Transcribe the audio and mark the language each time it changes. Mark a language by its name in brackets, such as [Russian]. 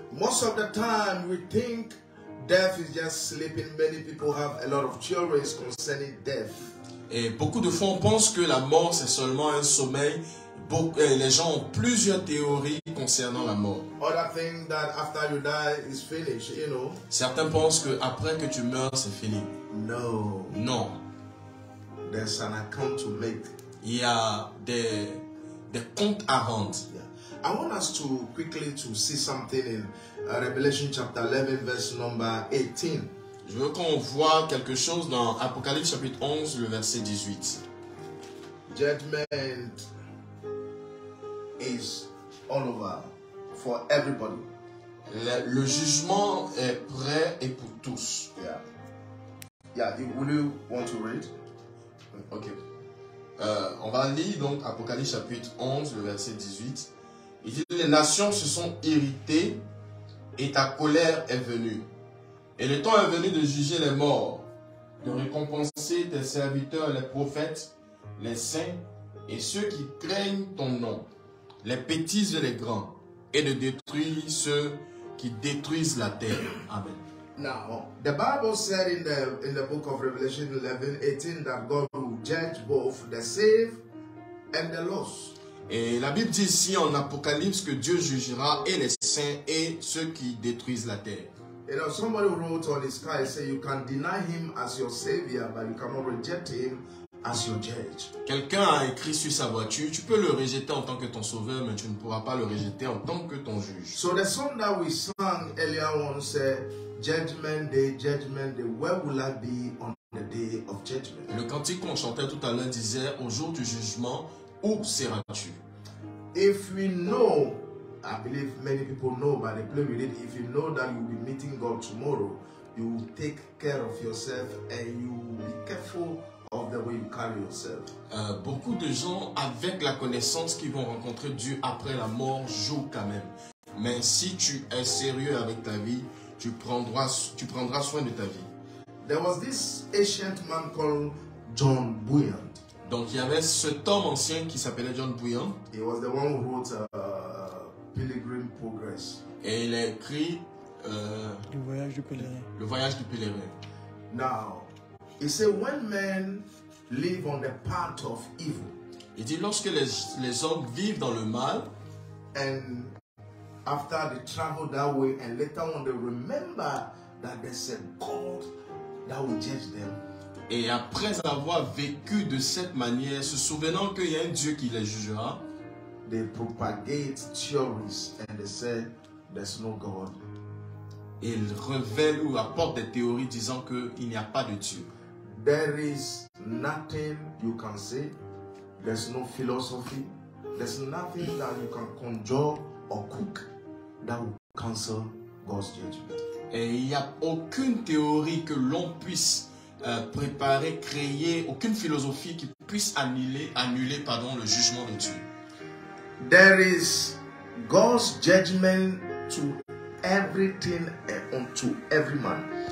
[English] Most of the time, we think death is just sleeping. Many people have a lot of theories concerning death. [French] Et beaucoup de fois, on pense que la mort c'est seulement un sommeil. Les gens ont plusieurs théories concernant la mort. [English] Other things that after you die is finished, you know. [French] Certains pensent que après que tu meurs, c'est fini. [English] No. [French] Non. [English] There's an account to make. [French] Il y a des comptes à rendre. [English] Yeah. I want us to quickly to see something in Revelation chapter 11 verse number 18. [French] Je veux qu'on voit quelque chose dans Apocalypse chapitre 11 le verset 18. [English] Judgment is all over for everybody. [French] Le jugement est prêt et pour tous. [English] Yeah. Yeah, would you want to read? Okay. [French] On va lire donc Apocalypse chapitre 11, le verset 18. Il dit, les nations se sont irritées et ta colère est venue. Et le temps est venu de juger les morts, de récompenser tes serviteurs, les prophètes, les saints et ceux qui craignent ton nom, les petits et les grands, et de détruire ceux qui détruisent la terre. Amen. [English] Now, the Bible said in the book of Revelation 11:18 that God will judge both the saved and the lost. [French] Et la Bible dit ici en Apocalypse que Dieu jugera et les saints et ceux qui détruisent la terre. [English] You know, somebody wrote on his card, say you can deny him as your savior, but you cannot reject him as your judge. [French] Quelqu'un a écrit sur sa voiture, tu peux le rejeter en tant que ton sauveur, mais tu ne pourras pas le rejeter en tant que ton juge. [English] So the song that we sang earlier on said, judgment day, where will I be on the day of judgment? [French] Le cantique qu'on chantait tout à l'heure disait, au jour du jugement, où seras-tu? [English] If we know, I believe many people know, but they play with it, if you know that you'll be meeting God tomorrow, you will take care of yourself and you will be careful of the way you carry yourself. [French] Beaucoup de gens avec la connaissance qu'ils vont rencontrer Dieu après la mort jouent quand même. Mais si tu es sérieux avec ta vie, tu prendras soin de ta vie. [English] There was this ancient man called John Bunyan. [French] Donc il y avait cet homme ancien qui s'appelait John Bunyan. [English] He was the one who wrote Pilgrim Progress. [French] Et il a écrit Le Voyage du Pèlerin. [English] Now, he said, when men live on the path of evil, [French] il dit lorsque les hommes vivent dans le mal, [English] and after they travel that way, and later on they remember that there's a God that will judge them. [French] Et après avoir vécu de cette manière, se souvenant qu'il y a un Dieu qui les jugera, [English] they propagate theories and they say there's no God. [French] Ils révèlent ou apportent des théories disant qu'il n'y a pas de Dieu. [English] There is nothing you can say. There's no philosophy. There's nothing that you can conjure or cook that will cancel God's judgment. [French] Et il n'y a aucune théorie que l'on puisse préparer, créer, aucune philosophie qui puisse annuler le jugement de Dieu. [English] There is God's judgment to everything and unto every man.